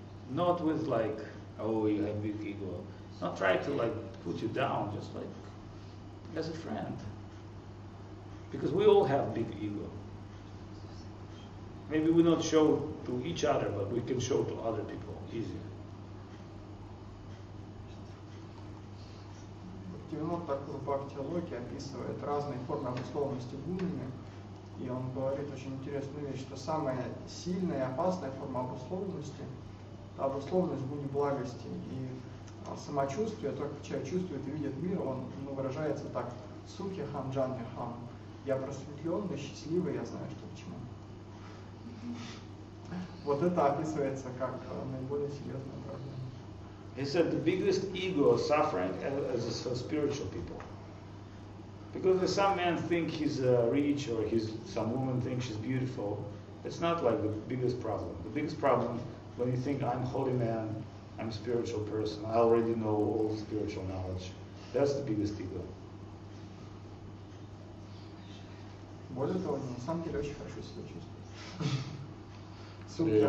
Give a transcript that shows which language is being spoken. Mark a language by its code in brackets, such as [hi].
[en] Not with like, oh, you have big ego. Not try to like put you down, just like as a friend. Because we all have big ego. Maybe we don't show to each other, but we can show to other people easier. [ru] Бхактивинода Тхакура Бхактилоки описывает разные формы обусловленности гунами. И он говорит очень интересную вещь, что самая сильная и опасная форма обусловленности — это обусловленность гуни благости. И самочувствие, то, как человек чувствует и видит мир, он выражается так: сухи хам, джанни хам. Я просветленный, счастливый, я знаю, что к чему. Вот это описывается как наиболее серьезная проблема. [en] He said the biggest ego suffering as a spiritual people. Because if some man think he's rich or he's some woman thinks she's beautiful, it's not like the biggest problem. The biggest problem when you think I'm holy man, I'm a spiritual person, I already know all spiritual knowledge. That's the biggest ego. [ru] Более того, на самом деле очень хорошо себя чувствую.